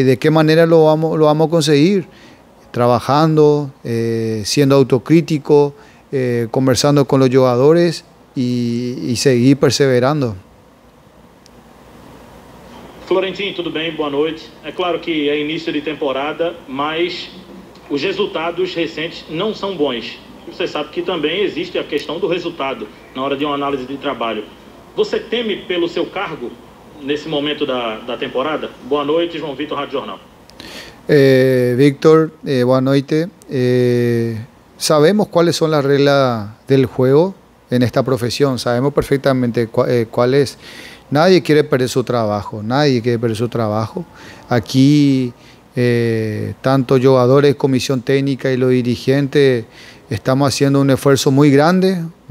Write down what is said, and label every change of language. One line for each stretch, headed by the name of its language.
Spanish: ¿Y de qué manera lo vamos a conseguir? Trabajando, siendo autocrítico, conversando con los jugadores y seguir perseverando. Florentino, ¿todo bien? Buenas noches. Es claro que es inicio de temporada, pero los resultados recientes no son buenos.
Portuguese: Você sabe que também existe a questão do resultado na hora de uma análise de trabalho. Você teme pelo seu cargo nesse momento da temporada? Boa noite, João Vitor, Rádio Jornal. Victor, boa noite. Sabemos quais são as regras do jogo em esta profissão. Sabemos perfeitamente qual é.
Spanish: Nadie
Portuguese: quer perder seu trabalho.
Spanish: Nadie
Portuguese: quer perder seu trabalho. Aqui, tanto jogadores, comissão técnica e os dirigentes,
Spanish: estamos haciendo un esfuerzo muy grande,